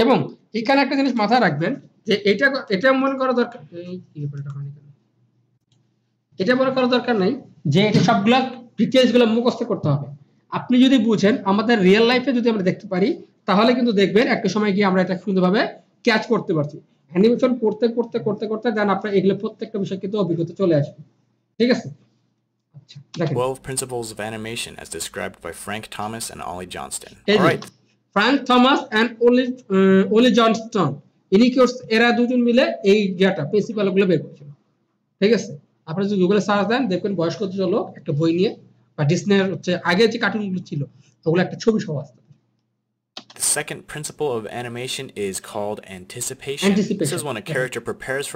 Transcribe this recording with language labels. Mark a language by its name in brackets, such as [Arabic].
[Bangla] এবং এখানে একটা জিনিস মাথায় রাখবেন যে এটা এটা মনে করা দরকার এই কিপারটা খালি কেন এটা মনে করা দরকার নাই যে এটা সবগুলো ডিটেইলস গুলো মুখস্থ করতে হবে আপনি যদি বুঝেন আমাদের রিয়েল লাইফে যদি আমরা দেখতে পারি তাহলে কিন্তু দেখবেন একটা সময় গিয়ে আমরা এটা সুন্দরভাবে ক্যাচ করতে পারছি অ্যানিমেশন পড়তে পড়তে করতে করতে যেন আপনার এগুলো প্রত্যেকটা বিষয় কিন্তু অভিজ্ঞতা চলে আসবে ঠিক আছে [English] 12 principles of animation as described by Frank Thomas and Ollie Johnston. All right. Frank Thomas and Ollie Johnston. [Bangla] ইনি কোর্স এরা দুজন মিলে এই গ্যাটা প্রিন্সিপাল গুলো বের করেছিল ঠিক আছে আপনি যদি গুগলে সার্চ দেন দেখবেন বয়স্ক দুজন লোক একটা বই নিয়ে বা ডিসনের হচ্ছে আগে যে কার্টুন গুলো ছিল ওগুলো একটা ছবি সহ আসতো [English] The second principle of animation is called anticipation. This is when a character prepares for